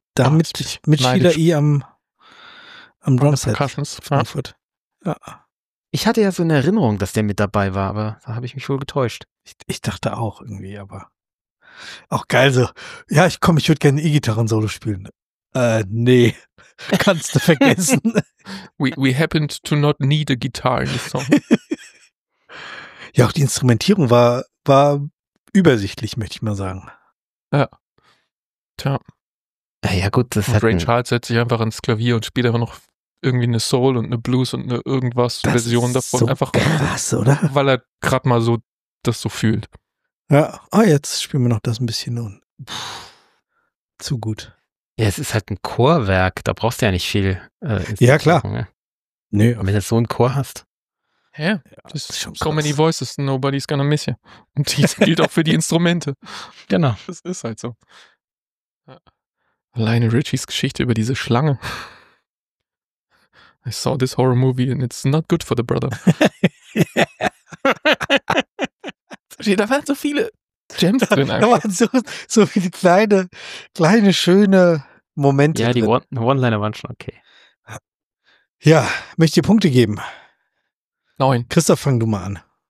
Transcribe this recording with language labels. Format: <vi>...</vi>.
<de>Damit mit Sheila E. am Drumset in Frankfurt. Ja. Ich hatte ja so eine Erinnerung, dass der mit dabei war, aber da habe ich mich wohl getäuscht. Ich dachte auch irgendwie, aber auch geil so. Ja, ich würde gerne E-Gitarren-Solo spielen. Nee, kannst du vergessen.</de> <en>We happened to not need a guitar in the song.</en> <de>Ja, auch die Instrumentierung war übersichtlich, möchte ich mal sagen. Ja. Tja. Ja gut, das hat... Ray Charles setzt sich einfach ans Klavier und spielt einfach noch irgendwie eine Soul und eine Blues und eine irgendwas das Version davon. So einfach krass, oder? Weil er gerade mal so das so fühlt. Ja, jetzt spielen wir noch das ein bisschen und zu gut. Ja, es ist halt ein Chorwerk, da brauchst du ja nicht viel. Ja, klar. Ne? Nö. Und wenn du so einen Chor hast. Hä? Ja, das ist schon so krass.</de> <en>Many voices, nobody's gonna miss you.</en> <de>Und das gilt auch für die Instrumente. Genau. Das ist halt so. Alleine Richies Geschichte über diese Schlange.</de> <en>I saw this horror movie and it's not good for the brother.</en> <de>Da waren so viele Gems drin. Da waren so viele kleine, schöne Momente. Ja, die One-Liner waren schon okay. Ja, möchte dir Punkte geben? 9. Christoph, fang du mal an.</de>